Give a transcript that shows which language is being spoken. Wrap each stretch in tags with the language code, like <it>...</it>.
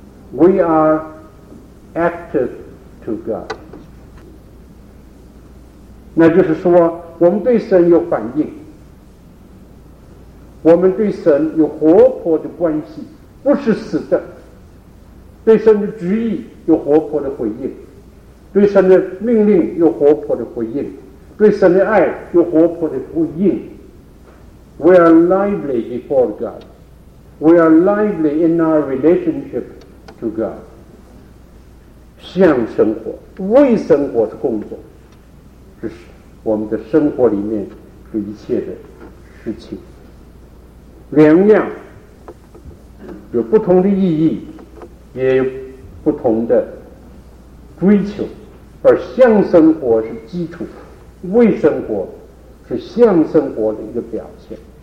<en>We are active to God，</en> <zh>那就是说我们对神有反应，我们对神有活泼的关系，不是死的。对神的旨意有活泼的回应，对神的命令有活泼的回应，对神的爱有活泼的回应。</zh> <en>We are lively before God. We are lively in our relationship to God.</en> <zh>向生活，为生活的工作，这是我们的生活里面的一切的事情。两样有不同的意义，也有不同的追求，而向生活是基础，为生活是向生活的一个表现。</zh>